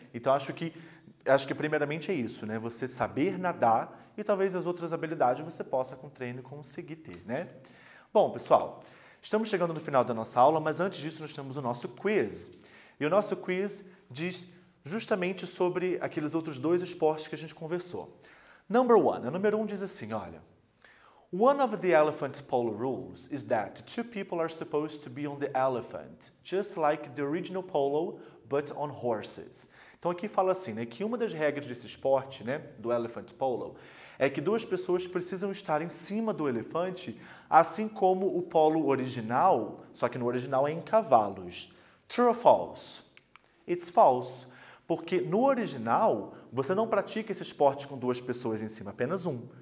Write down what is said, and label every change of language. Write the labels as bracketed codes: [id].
[pt] Então acho que primeiramente é isso, né? Você saber nadar e talvez as outras habilidades você possa com treino conseguir ter, né? Bom, pessoal, estamos chegando no final da nossa aula, mas antes disso nós temos o nosso quiz. E o nosso quiz diz justamente sobre aqueles outros dois esportes que a gente conversou. [en] Number one, [pt] o número um diz assim, olha. [en] One of the elephant polo rules is that two people are supposed to be on the elephant, just like the original polo, but on horses. [pt] Então aqui fala assim, né, que uma das regras desse esporte, né, do elephant polo, é que duas pessoas precisam estar em cima do elefante, assim como o polo original, só que no original é em cavalos. [en] True or false? It's false. [pt] Porque no original, você não pratica esse esporte com duas pessoas em cima, apenas um.